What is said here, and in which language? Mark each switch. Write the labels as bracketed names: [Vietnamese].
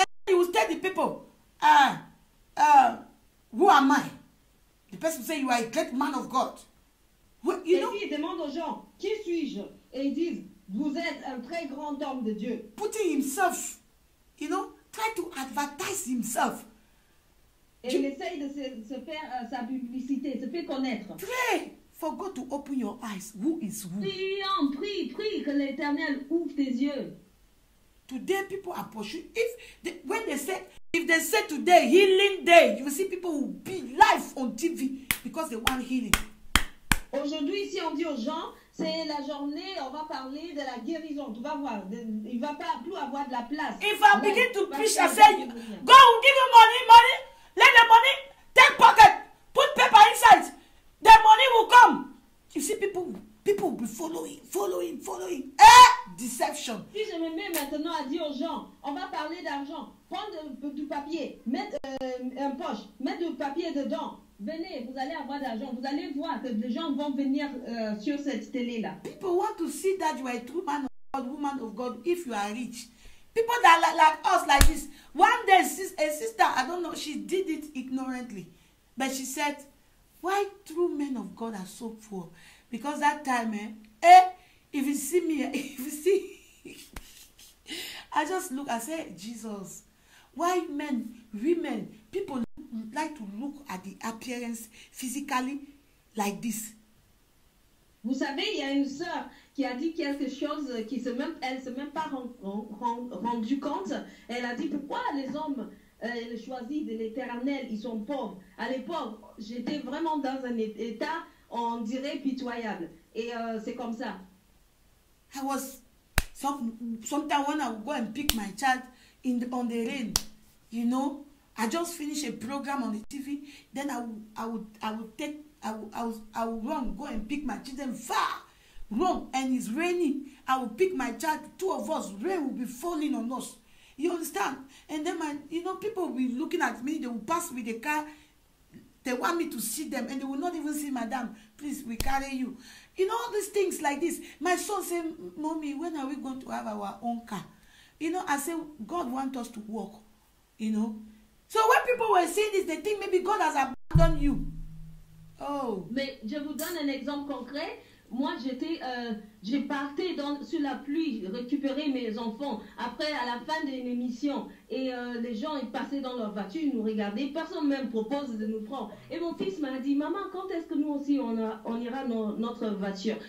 [English] And he will tell the people, who am I? The person say you are a great man of God. You know, [French] il demande aux gens, qui suis-je? Et ils disent, vous êtes un très grand homme de Dieu. [English] Putting himself, you know, try to advertise himself. [French] Et il essaye de se faire sa publicité, se faire connaître. [English] Pray for God to open your eyes. Who is who? [French] Prie que l'Éternel ouvre tes yeux. [English] Today people approach you. If they say today healing day, you will see people will be live on TV because they want healing. [French] Aujourd'hui, si on dit aux gens, c'est la journée, on va parler de la guérison. Tu vas voir, il va pas plus avoir de la place. [English] If I begin to preach, I say, go give you money, let the money take pocket, put paper inside, the money will come. You see people will be following. Deception. [French] Si je me mets maintenant à dire aux gens, on va parler d'argent. Prendre du papier, mettre un poche, mettre du papier dedans. Venez, vous allez avoir de l'argent. Vous allez voir que les gens vont venir sur cette télé là. [English] People want to see that you are a true man of God, woman of God. If you are rich, people that like us like this. One day, a sister, I don't know, she did it ignorantly, but she said, "Why true men of God are so poor? Because that time, if you see me, if you see." I just look, I say, Jesus, why men, women, people like to look at the appearance physically like this? [French] Vous savez, il y a une sœur qui a dit quelque chose qui se même, elle ne s'est même pas rendu compte. Elle a dit, pourquoi les hommes choisis de l'Éternel, ils sont pauvres? À l'époque, j'étais vraiment dans un état, on dirait, pitoyable. Et c'est comme ça. [English] Sometimes when I would go and pick my child in the, on the rain, you know, I just finish a program on the TV, then I would run, go and pick my children far, run, and it's raining. I would pick my child, two of us, rain will be falling on us. You understand? And then people will be looking at me, they will pass with the car, they want me to see them, and they will not even see madam, please, we carry you. You know, all these things like this. My son said, Mommy, when are we going to have our own car? You know, I said, God wants us to walk, you know. So when people were saying this, they think maybe God has abandoned you. Oh. [French] Mais je vous donne un exemple concret. Moi, j'ai parté sur la pluie, récupérer mes enfants. Après, à la fin de l'émission, et les gens, ils passaient dans leur voiture, ils nous regardaient. Personne même propose de nous prendre. Et mon fils m'a dit, maman, quand est-ce que nous aussi, on ira dans notre voiture?